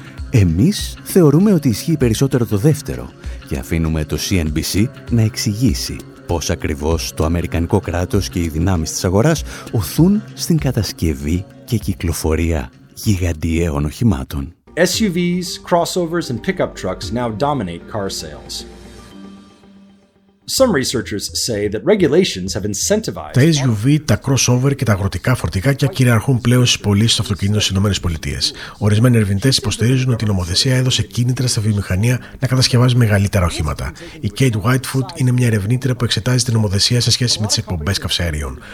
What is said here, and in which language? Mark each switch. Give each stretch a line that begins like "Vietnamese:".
Greek: Εμείς θεωρούμε ότι ισχύει περισσότερο το δεύτερο και αφήνουμε το CNBC να εξηγήσει πώς ακριβώς το αμερικανικό κράτος και οι δυνάμεις της αγοράς οθούν στην κατασκευή και κυκλοφορία γιγαντιαίων οχημάτων.
English: SUVs, crossovers and pickup trucks now dominate car sales. Some researchers say that regulations have incentivized...
Greek: Τα SUV, τα crossover και τα αγροτικά φορτηγά κυριαρχούν πλέον στις πωλήσεις των αυτοκινήτων στις ΗΠΑ. Ορισμένοι ερευνητές υποστηρίζουν ότι η νομοθεσία έδωσε κίνητρα στα βιομηχανία να κατασκευάζει μεγαλύτερα οχήματα. Η Kate Whitefoot είναι μια ερευνήτρια που εξετάζει την νομοθεσία σε σχέση με τις εκπομπές καυσαέριων.